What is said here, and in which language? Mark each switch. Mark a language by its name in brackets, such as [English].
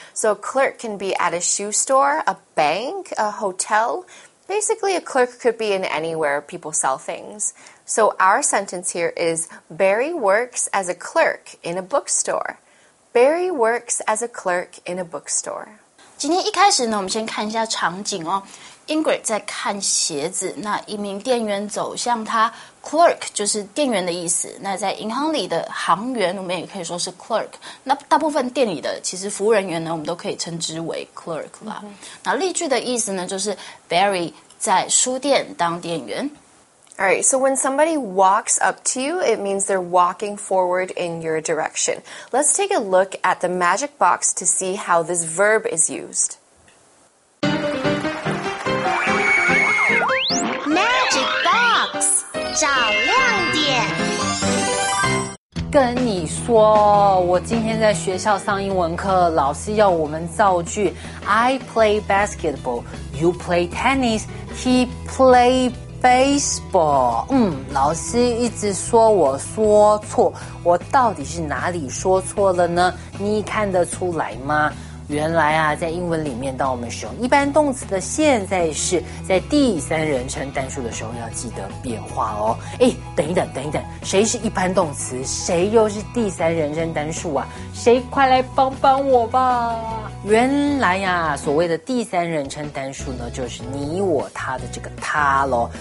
[English] So a clerk can be at a shoe store, a bank, a hotel. Basically, a clerk could be in anywhere people sell things. So our sentence here is, Barry works as a clerk in a bookstore. Barry works as a clerk in a bookstore. [Chinese] 今天一开始呢，我们先看一下场景哦。Ingrid 在看鞋子，那一名店员走向他， clerk 就是店员的意思，那在银行里的行员我们也可以说是 clerk， 那大部分店里的其实服务人员呢我们都可以称之为 clerk 啦。 Mm-hmm. 那例句的意思呢就是 Barry 在书店当店员。 [English] Alright, so when somebody walks up to you, it means they're walking forward in your direction. Let's take a look at the magic box to see how this verb is used. Magic box, [Chinese] 找亮点。跟你说，我今天在学校上英文课，老师要我们造句。 [English] I play basketball, you play tennis, he play baseball， [Chinese] 老师一直说我说错，我到底是哪里说错了呢？你看得出来吗？原来啊，在英文里面，当我们使用一般动词的现在式，在第三人称单数的时候，要记得变化哦。哎，等一等，等一等，谁是一般动词？谁又是第三人称单数啊？谁快来帮帮我吧！原来呀，所谓的第三人称单数呢，就是你我他的这个他咯。